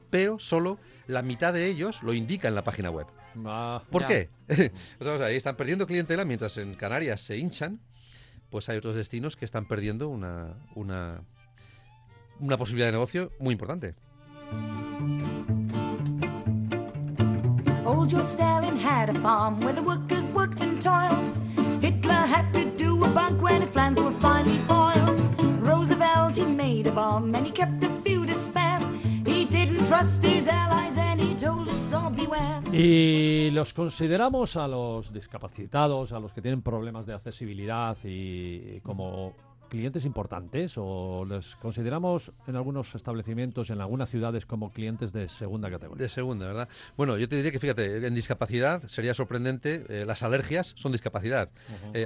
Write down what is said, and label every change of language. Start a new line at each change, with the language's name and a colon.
Spanish: Pero solo la mitad de ellos lo indica en la página web. ¿Por qué? O sea, están perdiendo clientela mientras en Canarias se hinchan. Pues hay otros destinos que están perdiendo una posibilidad de negocio muy importante.
English: Old Joe Stalin had a farm where the workers worked and toiled. Hitler had to do a bunk when his plans were finally foiled. Roosevelt, he made a bomb and he kept a few to spare. He didn't trust his allies and he told us all beware.
Spanish: Y los consideramos a los discapacitados, a los que tienen problemas de accesibilidad y como clientes importantes, o les consideramos en algunos establecimientos, en algunas ciudades, como clientes de segunda categoría. De segunda, ¿verdad? Bueno, yo te diría que, fíjate, en discapacidad sería sorprendente, las alergias son discapacidad. Uh-huh.